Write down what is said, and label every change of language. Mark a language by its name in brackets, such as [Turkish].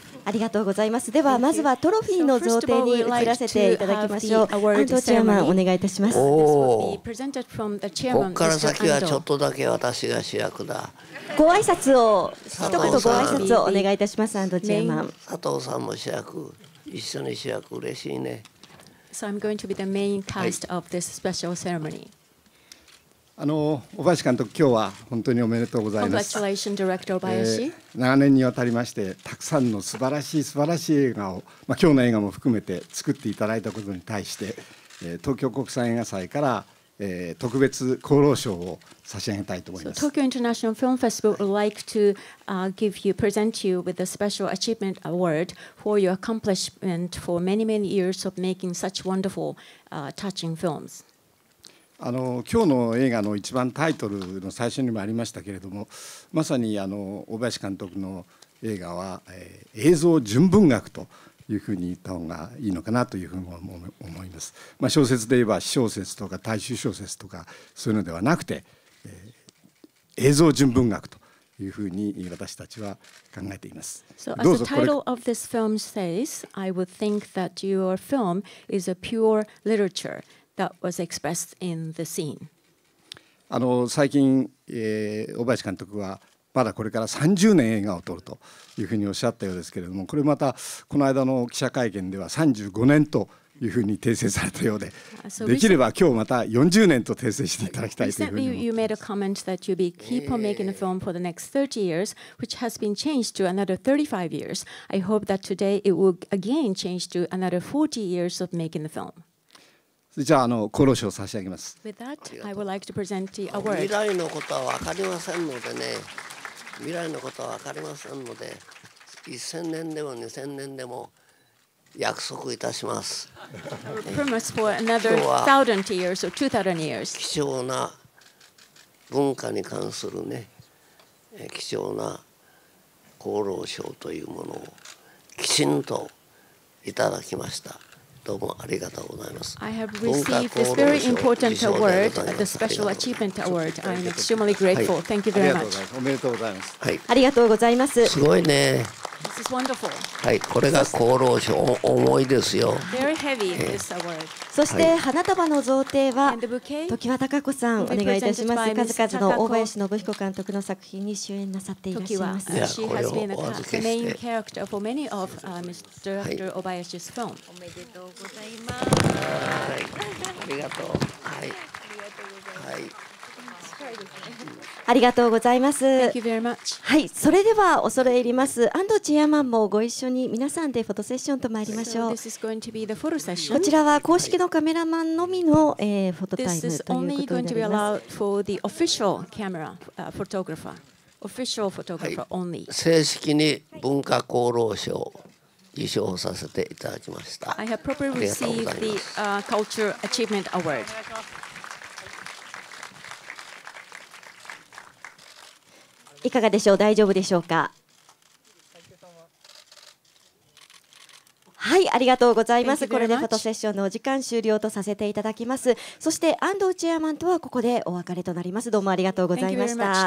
[Japanese] ありがとうございます。ではまずはトロフィーの贈呈に移らせていただきましょう。安藤チェアマンお願いいたします。おお、ここから先はちょっとだけ私が主役だ。ご挨拶を、一言ご挨拶をお願いいたします。安藤チェアマン、佐藤さんも主役、一緒に主役、嬉しいね。 [English] So I'm going to be the main cast of this special ceremony. [Japanese] 小林監督、今日は本当におめでとうございます。 [English] Congratulations, Director Obayashi. [Japanese] 長年にわたりまして、たくさんの素晴らしい素晴らしい映画を、まあ、今日の映画も含めて作っていただいたことに対して、東京国際映画祭から、特別功労賞を差し上げたいと思います。 [English] 東京インターナショナルフィルムフェスティバル would like to give you, present you with a special achievement award for your accomplishment for many, many years of making such wonderful, touching films. [Japanese] 今日の映画の一番タイトルの最初にもありましたけれども、まさに小林監督の映画は、映像純文学というふうに言った方がいいのかなというふうに思います。まあ、小説で言えば小説とか大衆小説とかそういうのではなくて、映像純文学というふうに私たちは考えています。 [English] So as the title of this film says, I would think that your film is a pure literatureThat was expressed in the scene. [Japanese] 最近、小林監督はまだこれから30年映画を撮るというふうにおっしゃったようですけれども、これまたこの間の記者会見では35年というふうに訂正されたようで、できれば今日また40年と訂正していただきたいというふうに。 [English] You made a comment that you'll be keep on making a film for the next 30 years, which has been changed to another 35 years. I hope that today it will again change to another 40 years of making the film. [Japanese] じゃあ功労賞を差し上げます。未来のことは分かりませんのでね、未来のことは分かりませんので、1000年でも2000年でも約束いたします。 [English] Promise for another thousand years or 2,000 years. [Japanese] 貴重な文化に関するね、貴重な功労賞というものをきちんといただきました。どうもありがとうございます。 [English] I have received this very important award, the Special Achievement Award. I am extremely grateful. Thank you very much. [Japanese] おめでとうございます。はい。ありがとうございます。すごいね。 [English] This is wonderful. [Japanese] はい、これが功労賞、重いですよ。 [English] Very heavy, this award. [Japanese] そして花束の贈呈は常盤貴子さん、お願いいたします。数々の大林信彦監督の作品に主演なさっていらっしゃいます。いや、これをお預けして。 [English] The main character for many of Mr. Director Obayashi's film. [Japanese] おめでとうございます。はい、ありがとう。はい。ありがとうございます。ありがとうございます。 [English] Thank you very much. [Japanese] はい、それでは恐れ入ります。安藤チェアマンもご一緒に皆さんでフォトセッションと参りましょう。 [English] So、this is going to be the photo session. [Japanese] こちらは公式のカメラマンのみの、フォトタイムということになります。 [English] This is only going to be allowed for the official camera, photographer. Official photographer only.、 [Japanese] はい、正式に文化功労賞受賞させていただきました。 [English] I have properly received the, Culture Achievement Award. [Japanese] いかがでしょう、大丈夫でしょうか。はい、ありがとうございます。これでフォトセッションのお時間終了とさせていただきます。そして安藤チェアマンとはここでお別れとなります。どうもありがとうございました。